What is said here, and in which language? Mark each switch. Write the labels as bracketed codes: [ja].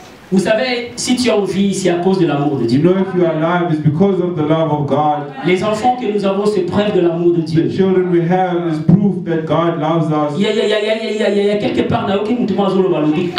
[fr] Vous savez, si tu es en vie, c'est à cause de l'amour de Dieu. [en] You know if you are alive, it's because of the love of God. [fr] Les enfants que nous avons, c'est preuve de l'amour de Dieu. [en] The children we have is proof that God loves us. [fr] Il y a quelque part là où nous te mangeons le ballon.